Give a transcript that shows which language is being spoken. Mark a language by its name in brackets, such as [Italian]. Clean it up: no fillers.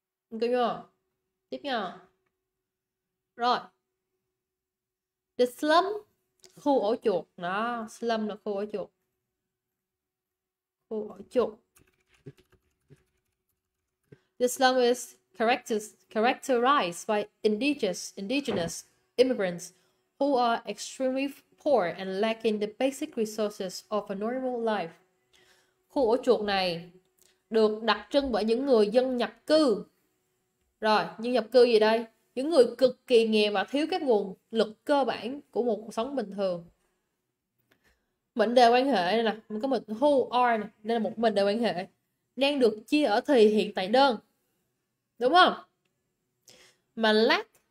[Vietnamese] Cái chưa tiếp nha. Rồi the slum, khu ổ chuột. Đó, slum là khu ổ chuột, khu ổ chuột. [English] The slum is characterized by indigenous immigrants who are extremely poor and lacking the basic resources of a normal life. [Vietnamese] Khu ổ chuột này được đặc trưng bởi những người dân nhập cư. Rồi, những nhập cư gì đây? Những người cực kỳ nghèo và thiếu các nguồn lực cơ bản của một cuộc sống bình thường. Mệnh đề quan hệ này nè, mình có mệnh who are này, đây là một mệnh đề quan hệ đang được chia ở thì hiện tại đơn. Đúng không? Mà lack.